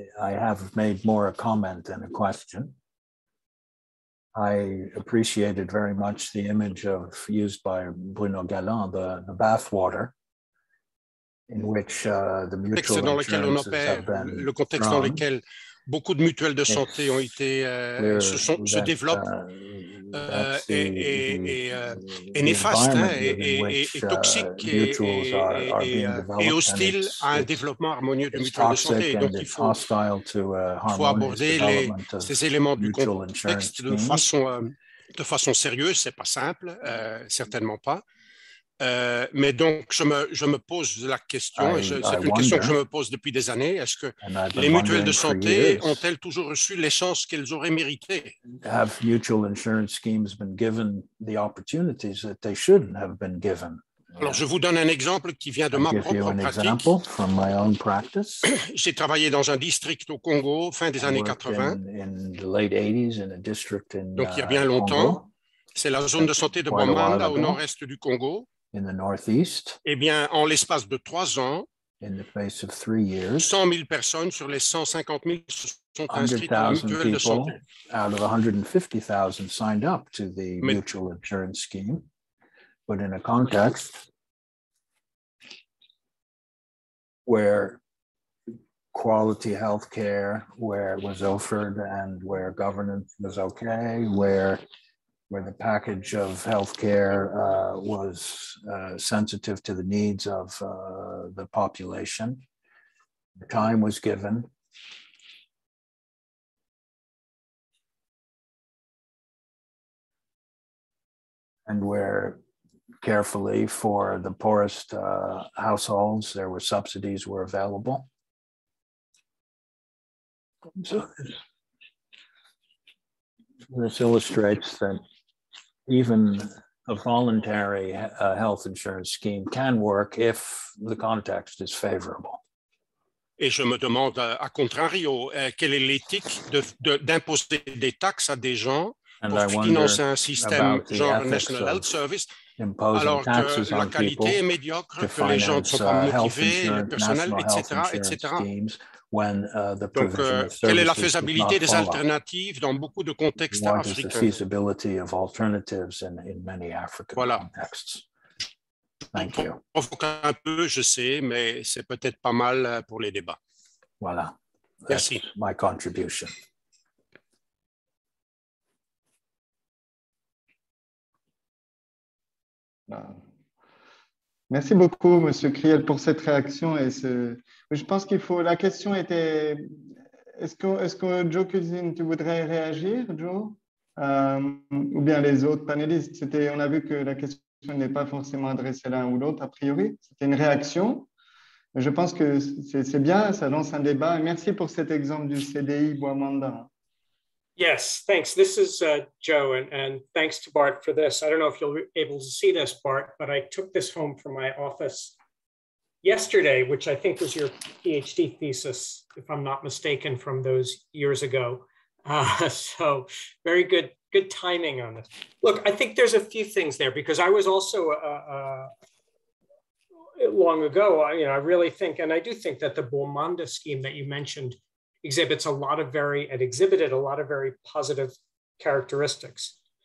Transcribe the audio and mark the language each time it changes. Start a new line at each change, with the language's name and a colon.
English: I have made more a comment than a question. I appreciated very much the image of used by Bruno Galland, the bathwater, in which the mutual insurances
French: dans lequel on opère,
English: have been
French: le contexte
English: strong.
French: Dans lequel beaucoup de mutuelles de santé ont été se sont se développent et néfaste hein, et toxique et hostile à un développement harmonieux de mutuelles de santé. Et donc il faut, aborder ces éléments du contexte de façon sérieuse. C'est pas simple, certainement pas. Mais donc, je me pose la question, question que je me pose depuis des années, est-ce que les mutuelles de santé ont-elles toujours reçu l'essence qu'elles auraient mérité?
English: Have mutual insurance schemes been given the opportunities that they shouldn't have been given?
French: Alors, je vous donne un exemple qui vient de ma propre pratique.
English: From my own practice.
French: J'ai travaillé dans un district au Congo, fin des années 80.
English: In the late 80s, in a district in,
French: donc, il y a bien longtemps.
English: Congo.
French: C'est la zone de santé de Bamanda au nord-est du Congo.
English: In the northeast,
French: eh bien, en l'espace de 3 ans,
English: in the space of 3 years,
French: 100 000 personnes sur les 150 000 se sont inscrites à la mutuelle de santé.
English: Out of 150,000 signed up to the mutual insurance scheme, but in a context where quality health care, where it was offered and where governance was okay, where the package of healthcare was sensitive to the needs of the population. The time was given. And where carefully for the poorest households, there were subsidies were available. So this illustrates that even a voluntary health insurance scheme can work if the context is favorable.
French: Et je me demande, à contrario, quelle est l'éthique d'imposer des taxes à des gens pour financer un système genre National Health Service, alors que la qualité est médiocre, que les gens ne sont pas motivés, le personnel, etc.
English: When the provision
French: donc, quelle est la faisabilité des alternatives dans beaucoup de contextes
English: what
French: africains?
English: What is the feasibility of alternatives in many African
French: voilà.
English: contexts? Thank you.
French: Provoque un peu, je sais, mais c'est peut-être pas mal pour les débats. Voilà. Merci.
English: That's my contribution.
French: Merci beaucoup, Monsieur Criel, pour cette réaction et ce. Je pense qu'il faut. La question était. Est-ce que Joe Cuisine, tu voudrais réagir, Joe, ou bien les autres panélistes? C'était. On a vu que la question n'est pas forcément adressée l'un ou l'autre. A priori, c'était une réaction. Je pense que c'est bien. Ça lance un débat. Merci pour cet exemple du CDI Bois-Manda.
English: Yes, thanks. This is Joe, and thanks to Bart for this. I don't know if you'll be able to see this, Bart, but I took this home from my office yesterday, which I think was your PhD thesis, if I'm not mistaken, from those years ago. So very good timing on this. Look, I think there's a few things there because I was also long ago, I really think, and I do think that the Bomanda scheme that you mentioned exhibits a lot of very, and exhibited a lot of very positive characteristics.